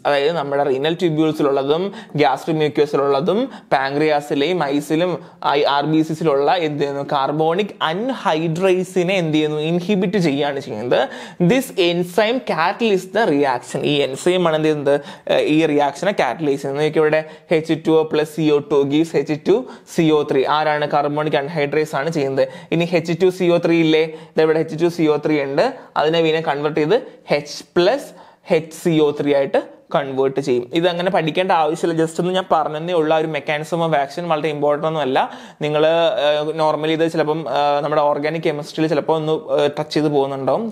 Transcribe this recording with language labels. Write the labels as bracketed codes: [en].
[ml] അതായത് നമ്മുടെ റിനൽ ട്യൂബ്യൂൾസിലുള്ളതും ഗ്യാസ്ട്രിക് മ്യൂക്കോസിലുള്ളതും പാൻക്രിയാസിലെയും ഐസിലും RBCsലുള്ള എന്ത് ചെയ്യുന്നു, കാർബോണിക് അൺഹൈഡ്രേസിനെ എന്ത് ചെയ്യുന്നു, ഇൻഹിബിറ്റ് ചെയ്യുകയാണ് ചെയ്യുന്നത്. [en] This enzyme catalyst the reaction. [ml] ഈ എൻസൈം ആണ് എന്ത് ചെയ്യുന്നത്, ഈ റിയാക്ഷനെ കാറ്റലൈസ് ചെയ്യുന്നത്. ഇവിടെ H2O+CO2 gives H2CO3. ആരാണ് കാർബോണിക് അൺഹൈഡ്രേസ് ആണ് ചെയ്യുന്നത്. ഇനി H2CO3 ഇല്ലേ, ഇവിടെ H2CO3 ഉണ്ട്, അതിനെ വീണ കൺവേർട്ട് ചെയ്ത് H+HCO3 ആയിട്ട് കൺവേർട്ട് ചെയ്യും. ഇത് അങ്ങനെ പഠിക്കേണ്ട ആവശ്യമില്ല, ജസ്റ്റ് ഒന്ന് ഞാൻ പറഞ്ഞതേ ഉള്ള ഒരു മെക്കാനിസം ഓഫ് ആക്ഷൻ. വളരെ ഇമ്പോർട്ടൻ്റ് ഒന്നും അല്ല. നിങ്ങൾ നോർമലി ഇത് ചിലപ്പം നമ്മുടെ ഓർഗാനിക് കെമിസ്ട്രിയിൽ ചിലപ്പോൾ ഒന്ന് ടച്ച് ചെയ്ത് പോകുന്നുണ്ടാവും.